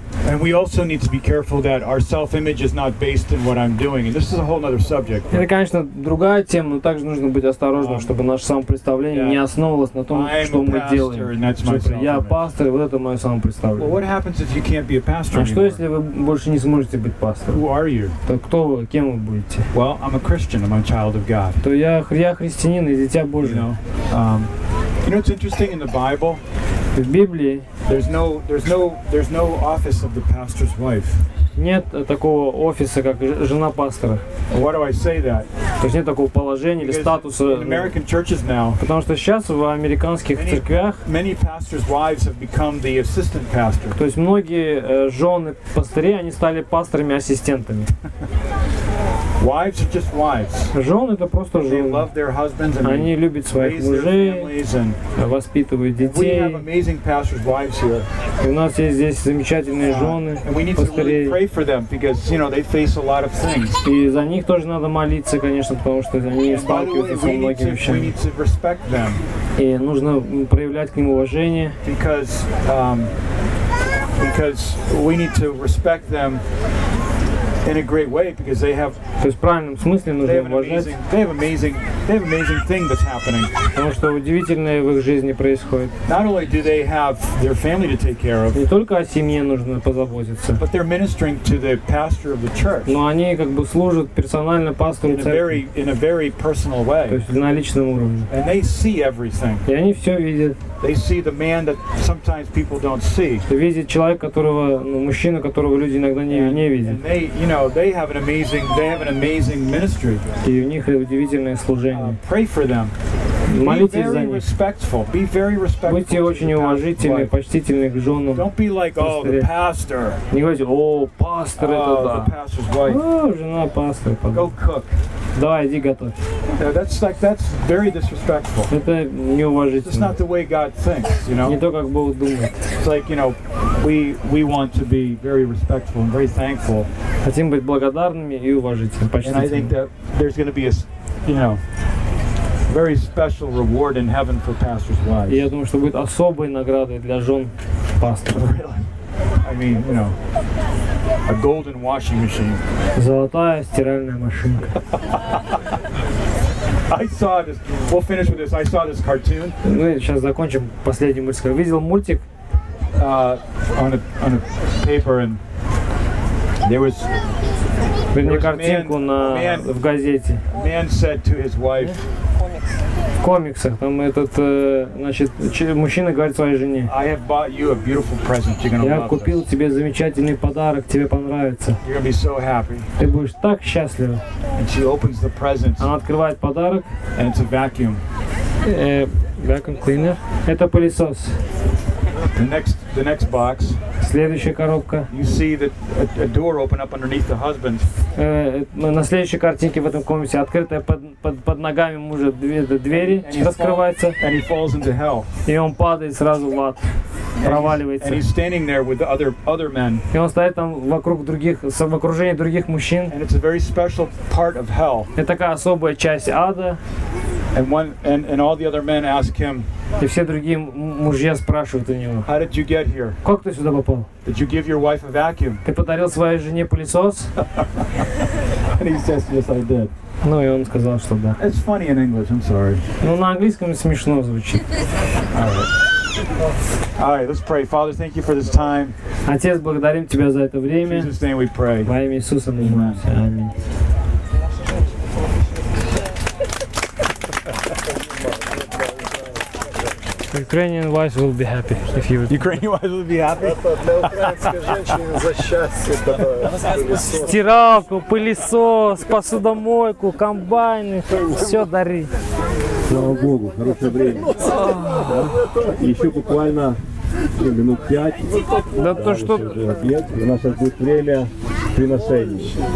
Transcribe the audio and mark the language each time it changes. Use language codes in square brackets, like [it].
[en] And we also need to be careful that our self-image is not based in what I'm doing. And this is a whole other subject. [ru] Это, конечно, другая тема, но также нужно быть осторожным, чтобы наше самопредставление не основывалось на том, что мы делаем. Я пастор, и вот это мое самопредставление. [en] Well, what happens if you can't be a pastor anymore? [ru] А что, если вы больше не сможете быть пастором? [en] Who are you? [ru] То кто вы, кем вы будете? [en] Well, I'm a Christian. I'm a child of God. [ru] То я христианин и дитя Божие. [en] You know, it's interesting in the Bible. [ru] В Библии [en] there's no office of the pastor's wife. [ru] Нет такого офиса, как жена пастора. [en] Why do I say that? [ru] То есть нет такого положения или статуса. [en] In American churches now. [ru] Потому что сейчас в американских церквях [en] many pastors' wives have become the assistant pastor. [ru] То есть многие жены пастырей, они стали пасторами-ассистентами. [en] Wives are just wives. [ru] Жены это просто жены. [en] They love their husbands and [ru] они любят своих мужей, воспитывают детей. [en] We have amazing pastors' wives here. [ru] И у нас есть здесь замечательные жены. [en] And we need to really pray for them because, you know, they face a lot of things. [ru] И за них тоже надо молиться, конечно, потому что они сталкиваются со многими вещами. [en] We need to respect them. [ru] И нужно проявлять к ним уважение. [en] Because we need to respect them. In a great way, because they have. [ru] То есть в правильном смысле нужно уважать. [en] They have amazing thing that's happening. [ru] Потому что удивительное в их жизни происходит. [en] Not only do they have their family to take care of. [ru] Не только о семье нужно позаботиться. [en] But they're ministering to the pastor of the church. [ru] Но они как бы служат персонально пастору церкви. [en] In a very personal way. [ru] То есть на личном уровне. [en] And they see everything. [ru] И они все видят. [en] They see the man that sometimes people don't see. [ru] Видят человек, которого, ну, мужчина, которого люди иногда не видят. [en] They have an amazing ministry. [ru] И у них удивительное служение. [en] Pray for them. [ru] Молитесь за них. [en] Respectful. Be very respectful. [ru] Будьте очень уважительны, почтительны к женам. [en] Don't be like, oh, the pastor. [ru] Не говорите, о, пастор это да. [en] The pastor's wife. [ru] О, жена пастора. [en] Go cook. [ru] Давай, иди готовь. [en] Yeah, that's very disrespectful. [ru] Это неуважительно. [en] It's not the way God thinks, you know. [ru] Не то, как Бог думает. [en] It's like, you know, we want to be very respectful and very thankful. [ru] Хотим быть благодарными и уважительными, почтительными. [en] And I think that there's going to be a, you know, very special reward in heaven for pastors' wives. [ru] И я думаю, что будет особой наградой для жен пасторов. [en] Really? I mean, you know, a golden washing machine. [ru] Золотая стиральная машинка. [en] I saw this. We'll finish with this. I saw this cartoon. [ru] Ну сейчас закончим последний мультик. Видел мультик [en] on a paper and there was. [ru] Вернее, картинку в газете. [en] Man said to his wife. [ru] В комиксах. Там этот, значит, мужчина говорит своей жене. [en] I have bought you a beautiful present. You're gonna love this. [ru] Я купил тебе замечательный подарок. Тебе понравится. [en] You're gonna be so happy. [ru] Ты будешь так счастлив. [en] And she opens the present. [ru] Она открывает подарок. [en] And it's a vacuum. Vacuum cleaner. [ru] Это пылесос. [en] The next box. [ru] Следующая коробка. [en] You see that a door open up underneath the husband. [ru] На следующей картинке в этом комиксе открытая под ногами мужа двери раскрывается. [en] And he falls into hell. [ru] И он падает сразу в ад. Проваливается. [en] And he's standing there with other men. [ru] И он стоит там в окружении других мужчин. [en] And it's a very special part of hell. [ru] Это такая особая часть ада. [en] And all the other men ask him. [ru] И все другие мужья спрашивают у него. [en] How did you get here? [ru] Как ты сюда попал? [en] Did you give your wife a vacuum? [ru] Ты подарил своей жене пылесос? [en] And he says, yes, I did. [ru] Ну и он сказал, что да. [en] It's funny in English. I'm sorry. [ru] Ну на английском смешно звучит. [en] All right, let's pray. Father, thank you for this time. [ru] Отец, благодарим тебя за это время. [en] In Jesus' name we pray. [ru] Во имя Иисуса мы молимся. Аминь. [en] Ukrainian wives will be happy if you would. Ukrainian wives will be happy. [ru] Стиралку, пылесос, посудомойку, комбайны, все дари. Слава Богу, хорошее время. Еще буквально минут 5. Да то что? У нас будет время приношений.